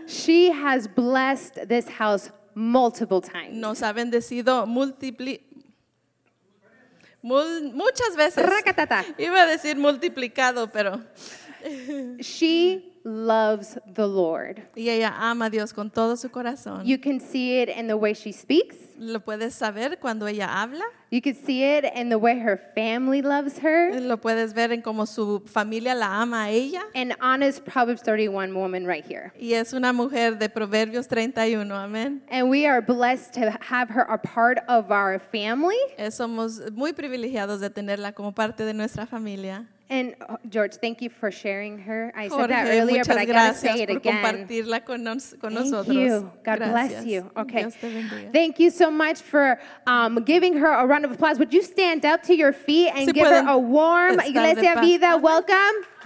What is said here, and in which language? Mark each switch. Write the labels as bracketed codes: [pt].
[en] She has blessed this house multiple times. [es] Nos ha bendecido muchas veces. Racatata. Iba a decir multiplicado, pero... [en] She loves the Lord. [es] Y ella ama a Dios con todo su corazón. [en] You can see it in the way she speaks. [es] Lo puedes saber cuando ella habla. [en] You can see it in the way her family loves her. [es] Lo puedes ver en cómo su familia la ama a ella. [en] An honest Proverbs 31 woman right here. [es] Y es una mujer de Proverbios 31, amén. [en] And we are blessed to have her a part of our family. [es] Somos muy privilegiados de tenerla como parte de nuestra familia. [en] And George, thank you for sharing her. I [es] Jorge, [en] said that earlier, but I gotta say it again. [es] Muchas gracias por compartirla con nosotros. [en] Thank you. God [es] gracias. [en] Bless you. Okay. [es] Dios te bendiga. [en] Thank you so much for giving her a round of applause. Would you stand up to your feet and give her a warm Iglesia Vida welcome?